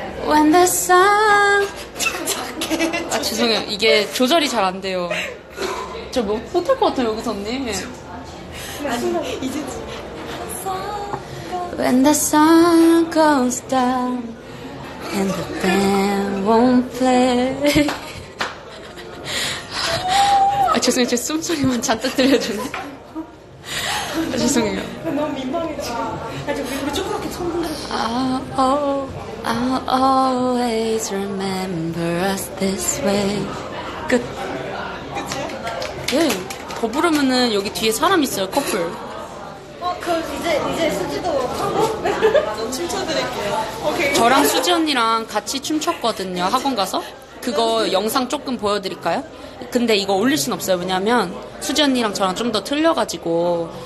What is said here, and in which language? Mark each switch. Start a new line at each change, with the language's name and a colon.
English: When the sun
Korean: 아 죄송해요. 이게 조절이 잘 안 돼요. 저 뭐 못할 것 같아요 여기서 언니. 아니 이제
English: When the sun goes down and the band won't play.
Korean: 아, 죄송해요. 제 숨소리만 잔뜩 들려주네. 아, 죄송해요. 너무 민망해. 지금 아, 우리 조그맣게 소문을 해.
English: I'll always remember us this way.
Korean: 끝. 끝이야? 예. 더 부르면은 여기 뒤에 사람 있어요. 커플. 그럼 이제 수지도 하고? 전 춤춰드릴게요. 오케이. 저랑 수지 언니랑 같이 춤췄거든요, 학원 가서. 그거 영상 조금 보여드릴까요? 근데 이거 올릴 순 없어요. 왜냐면 수지 언니랑 저랑 좀 더 틀려가지고.